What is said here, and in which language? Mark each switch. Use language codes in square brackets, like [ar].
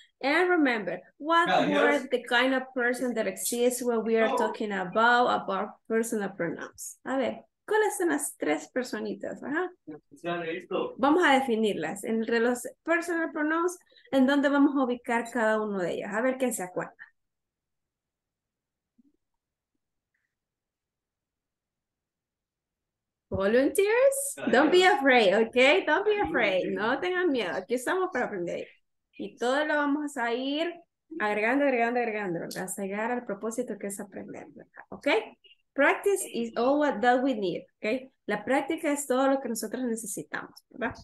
[en] And remember, what were the kind of person that exists when we are talking about personal pronouns? [es] A ver, ¿Cuáles son las tres personitas? ¿Ah? Listo. Vamos a definirlas en los personal pronouns, en dónde vamos a ubicar cada uno de ellos. A ver quién se acuerda. [en] Volunteers, don't be afraid, okay? Don't be afraid, [es] no tengan miedo, aquí estamos para aprender. Y todo lo vamos a ir agregando, ¿verdad? Hasta llegar al propósito que es aprender, ¿verdad? [en] Okay? Practice is all what that we need, okay? [es] La práctica es todo lo que nosotros necesitamos, ¿verdad?